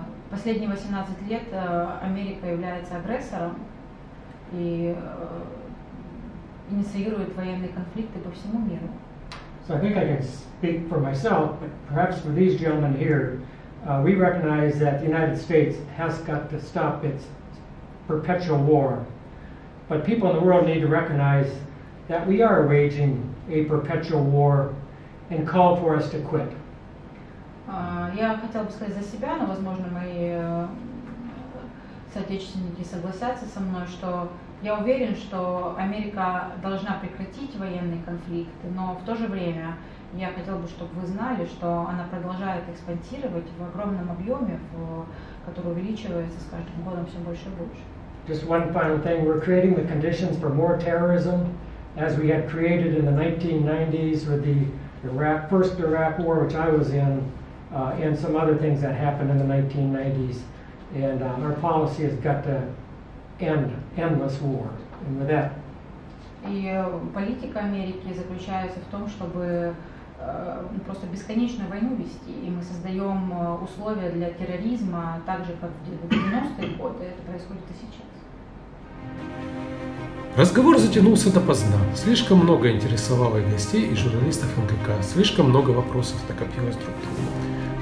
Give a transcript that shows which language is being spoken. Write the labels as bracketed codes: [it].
[ru] Последние 18 лет Америка является агрессором и инициирует военные конфликты по всему миру. [en] So I think I can speak for myself, but perhaps for these gentlemen here, we recognize that the United States has got to stop its perpetual war. But people in the world need to recognize that we are waging a perpetual war and call for us to quit. [ru] Я хотел бы сказать за себя, но, возможно, мои соотечественники согласятся со мной, что я уверен, что Америка должна прекратить военный конфликт, но в то же время я хотел бы, чтобы вы знали, что она продолжает экспансировать в огромном объеме, который увеличивается с каждым годом все больше и больше. [en] Just one final thing. We're creating the conditions for more terrorism, as we had created in the 1990s with the first Iraq war, which I was in, and some other things that happened in the 1990s. And our policy has got to end endless war. And with that. [ru] И политика Америки заключается в том, чтобы просто бесконечную войну вести, и мы создаем условия для терроризма, так же, как в 90-е годы, это происходит и сейчас. Разговор затянулся допоздна. Слишком много интересовало и гостей, и журналистов НГК, слишком много вопросов накопилось друг к другу.